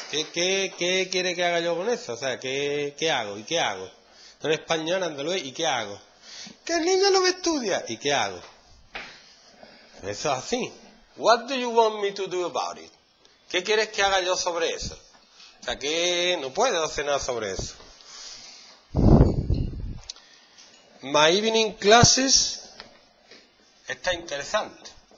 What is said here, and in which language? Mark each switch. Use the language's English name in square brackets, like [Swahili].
[Spanish] ¿Qué quiere que haga yo con eso? O sea, ¿qué hago? ¿Y qué hago? Soy español, andaluz, ¿y qué hago? ¿Qué niño no me estudia? ¿Y qué hago? Eso es así. [English] What do you want me to do about it? [Spanish] ¿Qué quieres que haga yo sobre eso? O sea, que no puedo hacer nada sobre eso. [English] My evening classes [Spanish] está interesante.